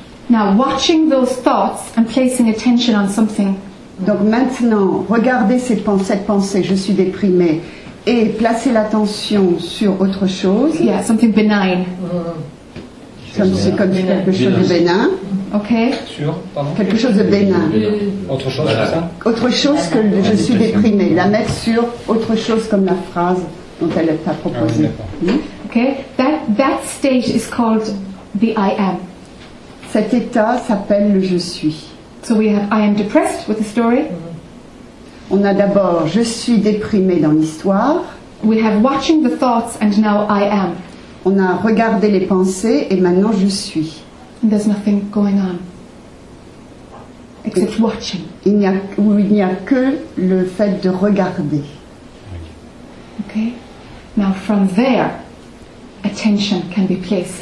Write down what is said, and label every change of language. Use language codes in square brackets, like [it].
[en] Now, watching those thoughts and placing attention on something. [fr] Donc maintenant, regarder cette pensée, je suis déprimé, et placer l'attention sur autre chose. [en] Yeah, something benign. [fr] C'est comme quelque chose de bénin. [en] Ok. [fr] Sur, pardon. Quelque chose de bénin. Autre chose que ça. Autre chose que je suis déprimé. La mettre sur autre chose comme la phrase dont elle t'a proposé. [en] Okay, that state is called the I am. [fr] Cet état s'appelle le je suis. [en] So we have I am depressed with the story. [fr] On a d'abord je suis déprimé dans l'histoire. [en] We have watching the thoughts and now I am. [fr] On a regardé les pensées et maintenant je suis. [en] And there's nothing going on except watching. [fr] Il n'y a que le fait de regarder. [en] Okay, now from there. Attention can be placed.